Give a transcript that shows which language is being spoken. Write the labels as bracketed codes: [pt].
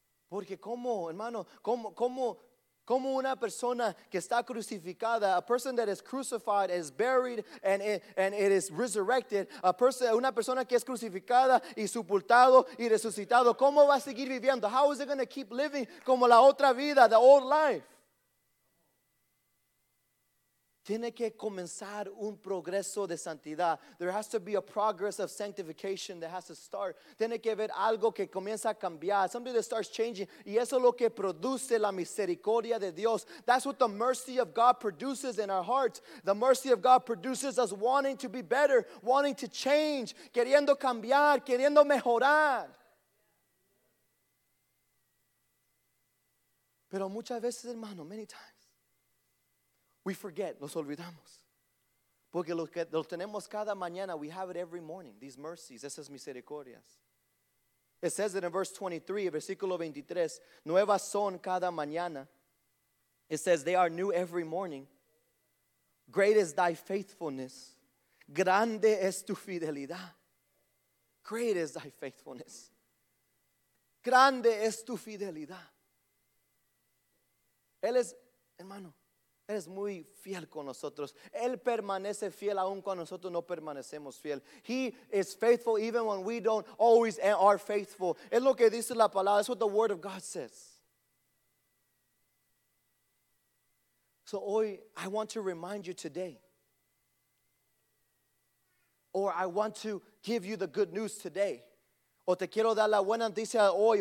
[es] Porque como, hermano, como una persona que está crucificada, [en] a person that is crucified, is buried, and it is resurrected, [es] una persona que es crucificada y sepultado y resucitado, ¿cómo va a seguir viviendo? [en] How is it going to keep living [es] como la otra vida, [en] the old life? [es] Tiene que comenzar un progreso de santidad. [en] There has to be a progress of sanctification that has to start. [es] Tiene que haber algo que comienza a cambiar. [en] Something that starts changing. [es] Y eso es lo que produce la misericordia de Dios. [en] That's what the mercy of God produces in our hearts. The mercy of God produces us wanting to be better, wanting to change, [es] queriendo cambiar, queriendo mejorar. Pero muchas veces, hermano, [en] many times, we forget, [es] nos olvidamos. Porque lo tenemos cada mañana, [en] we have it every morning, these mercies, [es] esas misericordias. [en] It says it in verse 23, [es] versículo 23, nuevas son cada mañana. [en] It says they are new every morning. Great is thy faithfulness. [es] Grande es tu fidelidad. [en] Great is thy faithfulness. [es] Grande es tu fidelidad. Él es, hermano, Él es muy fiel con nosotros. Él permanece fiel aun cuando nosotros no permanecemos fiel. [en] He is faithful even when we don't always are faithful. [es] Es lo que dice la palabra. [en] That's what the word of God says. So hoy, I want to remind you today. Or I want to give you the good news today. [es] O te quiero dar la buena noticia hoy.